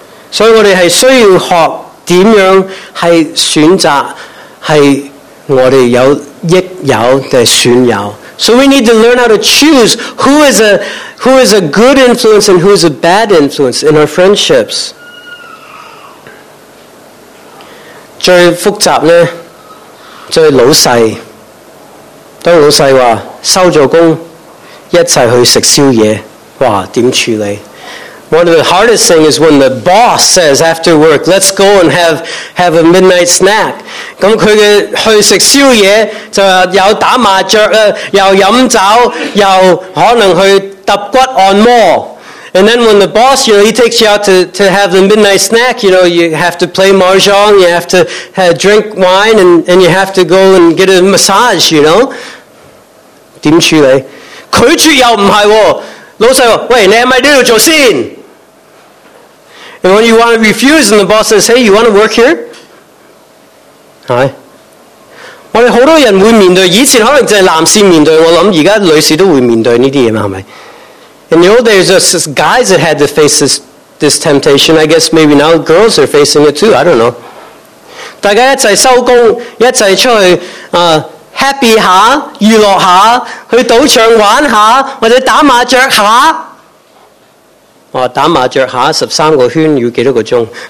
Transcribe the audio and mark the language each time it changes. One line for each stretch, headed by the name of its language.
Cantonese: 所以我哋係需要學點樣係選擇，係我哋有益友定係損友。
English: So we need to learn how to choose who is a good influence and who is a bad influence in our friendships.
Cantonese: 最複雜呢，最老細，當老細話收咗工，一齊去食宵夜，哇，點處理？
English: One of the hardest things is when the boss says after work, let's go and have a midnight snack.
Cantonese: 咁佢嘅去食宵夜就有打麻雀啊，又飲酒，又可能去揼骨按摩。
English: And then when the boss, you know, he takes you out to have the midnight snack, you know, you have to play mahjong, you have to drink wine, and you have to go and get a massage, you know.
Cantonese: 點處理？拒絕又唔係喎，老細話：喂，你係咪呢度做先
English: ？And when you want to refuse, and the boss says, "Hey, you want to work here?"
Cantonese: 系，我哋好多人会面对，以前可能就系男士面对，我谂而家女士都会面对呢啲嘢嘛，系咪
English: ？In the old days, just guys that had to face this temptation. I guess maybe now girls are facing it too. I don't know.
Cantonese: 大家一齐收工，一齐出去happy 下，娱乐下，去赌场玩下，或者打麻雀下。哇，打麻雀下13个圈要几多个钟？